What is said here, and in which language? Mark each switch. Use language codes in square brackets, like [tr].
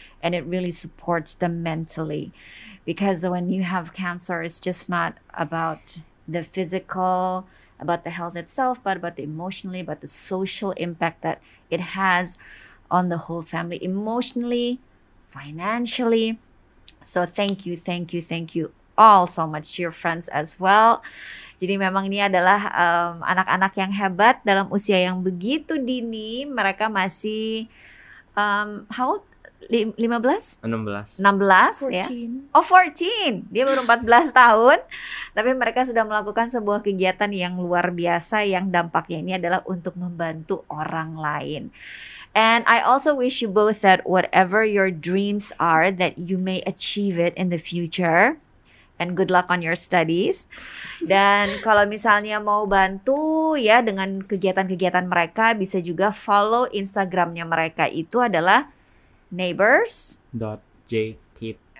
[en] And it really supports them mentally. Because when you have cancer, it's just not about the physical, about the health itself, but about the emotionally, about the social impact that it has on the whole family, emotionally, financially. So thank you, thank you, thank you all so much to your friends as well. [id] Jadi memang ini adalah anak-anak yang hebat dalam usia yang begitu dini. Mereka masih, [en] how old? [id] 14. Dia baru 14 tahun. Tapi mereka sudah melakukan sebuah kegiatan yang luar biasa yang dampaknya ini adalah untuk membantu orang lain. [en] And I also wish you both that whatever your dreams are, that you may achieve it in the future. And good luck on your studies. [id] Dan kalau misalnya mau bantu ya dengan kegiatan-kegiatan mereka, bisa juga follow Instagramnya mereka. Itu adalah neighbors.jkt.